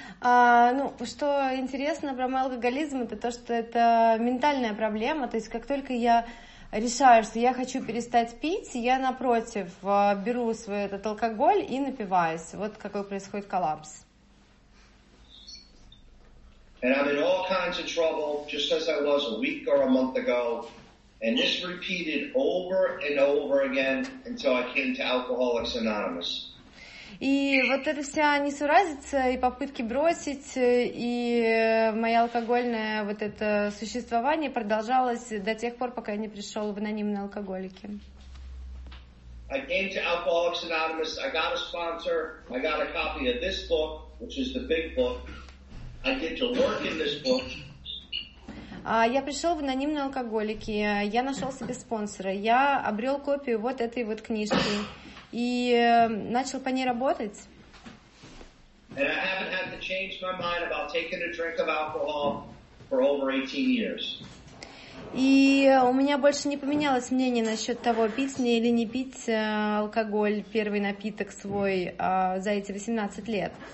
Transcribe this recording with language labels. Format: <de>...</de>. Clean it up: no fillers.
<ru>Ну, что интересно про мой алкоголизм, это то, что это ментальная проблема. То есть, как только я решаю, что я хочу перестать пить, я, напротив, беру свой этот алкоголь и напиваюсь. Вот какой происходит коллапс.</ru> <en>And I'm in all kinds of trouble, just as I was a week or a month ago. And this repeated over and over again until I came to Alcoholics Anonymous.</en> <ru>И вот эта вся несуразица и попытки бросить, и мое алкогольное вот это существование продолжалось до тех пор, пока я не пришел в анонимные алкоголики.</ru> <en>I came to Alcoholics Anonymous, I got a sponsor, I got a copy of this book, which is the big book. I get to work in this book.</en> <ru>Я пришел в анонимные алкоголики, я нашел себе спонсора, я обрел копию вот этой вот книжки. И начал по ней работать. И у меня больше не поменялось мнение насчет того, пить мне или не пить алкоголь, первый напиток свой за эти 18 лет.</ru>